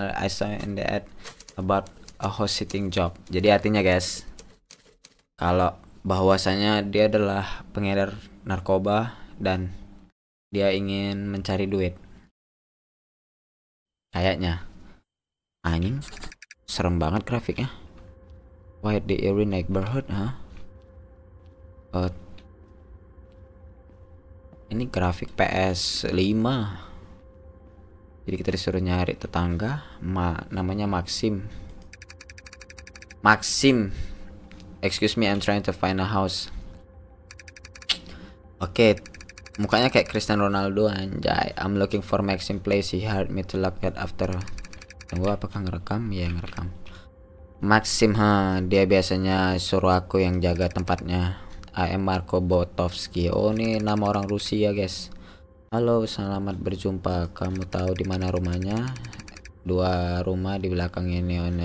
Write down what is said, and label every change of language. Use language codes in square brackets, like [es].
[en] I saw in the ad about a host sitting job. [id] Jadi artinya guys, kalau bahwasanya dia adalah pengedar narkoba dan dia ingin mencari duit. Kayaknya anjing serem banget grafiknya. [en] Why the eerie neighborhood, huh? [id] Ini grafik PS5. Jadi kita disuruh nyari tetangga. Ma, namanya Maxim. Maxim. [en] Excuse me, I'm trying to find a house. Okay. [id] Mukanya kayak Cristiano Ronaldo, anjay. [en] I'm looking for Maxim place. He hired me to look at after. [id] Tunggu, apakah ngerekam? Ya, ngerekam. Maxim, ha. Dia biasanya suruh aku yang jaga tempatnya. [en] I am Marco Botovsky. [id] Oh, ini nama orang Rusia, guys. Halo, selamat berjumpa. Kamu tahu di mana rumahnya? Dua rumah di belakang ini.